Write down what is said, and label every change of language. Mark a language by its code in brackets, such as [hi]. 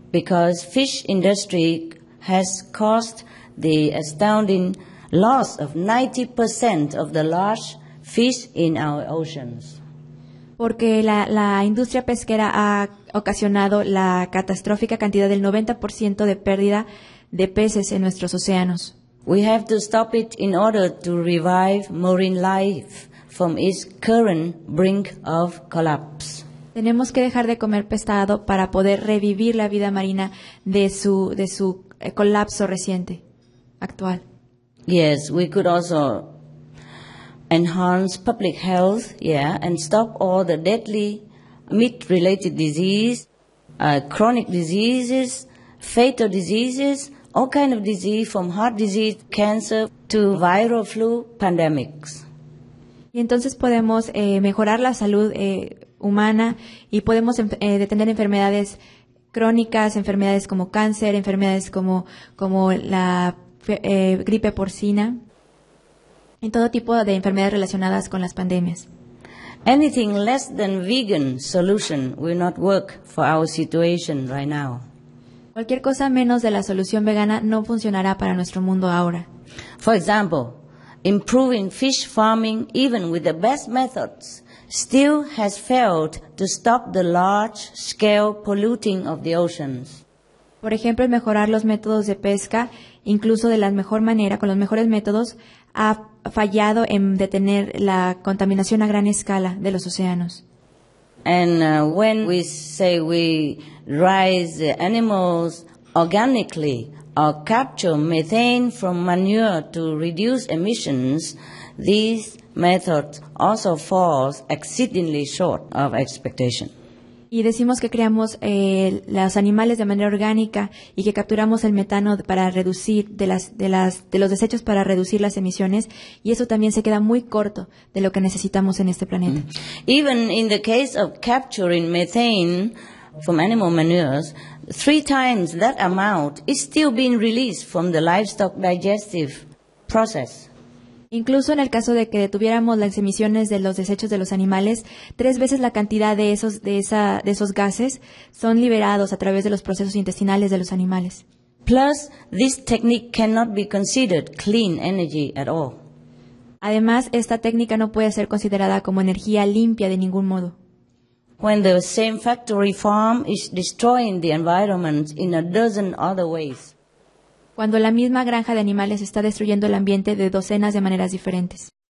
[en] Because fish industry has caused the astounding loss of 90% of the large fish in our oceans. [es] Porque la industria pesquera ha ocasionado la catastrófica cantidad del 90% de pérdida de peces en nuestros océanos. [en] We have to stop it in order to revive marine life from its current brink of collapse. [es] Tenemos que dejar de comer pescado para poder revivir la vida marina de su colapso reciente, actual. [en] Yes, we could also enhance public health, yeah, and stop all the deadly meat-related disease, chronic diseases, fatal diseases, all kind of disease, from heart disease, cancer, to viral flu pandemics. [es] Y entonces podemos mejorar la salud humana y podemos detener enfermedades crónicas, enfermedades como cáncer, enfermedades como la gripe porcina, y todo tipo de enfermedades relacionadas con las pandemias. [en] Anything less than vegan solution will not work for our situation right now. [es] Cualquier cosa menos de la solución vegana no funcionará para nuestro mundo ahora. [en] For example, improving fish farming, even with the best methods, still has failed to stop the large-scale polluting of the oceans. [es] Por ejemplo, mejorar los métodos de pesca, incluso de la mejor manera, con los mejores métodos, ha fallado en detener la contaminación a gran escala de los océanos. [en] And when we say we raise animals organically or capture methane from manure to reduce emissions, these methods also fall exceedingly short of expectation. [es] Y decimos que creamos los animales de manera orgánica y que capturamos el metano para reducir de los desechos para reducir las emisiones, y eso también se queda muy corto de lo que necesitamos en este planeta. [en] Even in the case of capturing methane from animal manures, 3 times that amount is still being released from the livestock digestive process. [es] Incluso en el caso de que detuviéramos las emisiones de los desechos de los animales, 3 veces la cantidad de esos gases son liberados a través de los procesos intestinales de los animales. [en] Plus, this technique cannot be considered clean energy at all. [es] Además, esta técnica no puede ser considerada como energía limpia de ningún modo. [en] When the same factory farm is destroying the environment in a dozen other ways. [es] Cuando la misma granja de animales está destruyendo el ambiente de docenas de maneras diferentes.